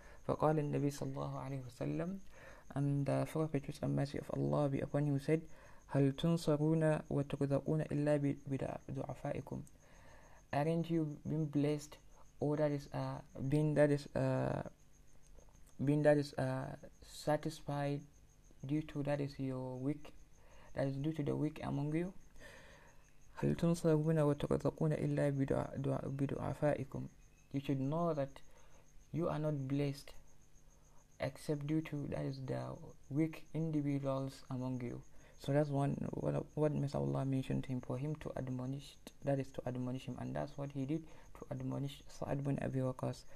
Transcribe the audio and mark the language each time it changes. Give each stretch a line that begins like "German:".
Arabic: فقال النبي صلى الله عليه وسلم,
English: and the Prophet, peace and mercy of Allah be upon him, said,
Arabic: هل تنصرون وترزقون إلا بدعفائكم.
English: Aren't you being blessed, or that is, satisfied due to that is your weak, that is due to the weak among you.
Arabic: هل تنصرون وترزقون إلا بدعفائكم.
English: You should know that you are not blessed except due to that is the weak individuals among you. So that's what Messenger Allah mentioned to him, for him to admonish, that is to admonish him, and that's what he did, to admonish Sa'ad bin Abi Waqqas.